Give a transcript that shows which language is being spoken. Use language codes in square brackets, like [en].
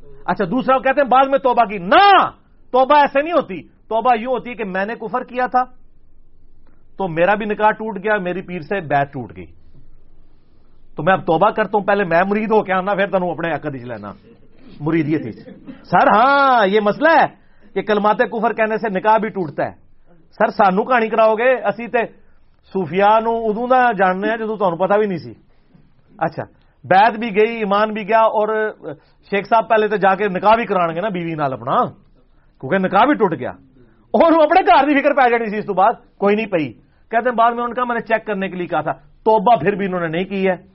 [ur] اچھا دوسرا وہ کہتے ہیں بعد میں توبہ کی، نہ توبہ ایسے نہیں ہوتی، توبہ یوں ہوتی ہے کہ میں نے کفر کیا تھا تو میرا بھی نکاح ٹوٹ گیا، میری پیر سے بیعت ٹوٹ گئی، تو میں اب توبہ کرتا ہوں، [pa] پہلے میں مرید ہو کے آنا پھر تینوں اپنے عقد وچ لینا مریدیت وچ. [ur] سر ہاں یہ مسئلہ ہے کہ کلمات کفر کہنے سے نکاح بھی ٹوٹتا ہے. [pa] سر سانو کہانی کراؤ گے؟ اسی تے صوفیا نو ادوں دا جاننے ہیں جدو تہن پتا بھی نہیں سی. [ur] اچھا بیعت بھی گئی، ایمان بھی گیا، اور شیخ صاحب پہلے تو جا کے نکاح بھی کرانے گے نا بیوی نال اپنا، کیونکہ نکاح بھی ٹوٹ گیا، اور [pa] اپنے گھر کی فکر پی جانی سی اس تو بعد، کوئی نہیں پئی. [ur] کہتے ہیں بعد میں ان کا میں نے چیک کرنے کے لیے کہا تھا، توبہ پھر بھی انہوں نے نہیں کی ہے.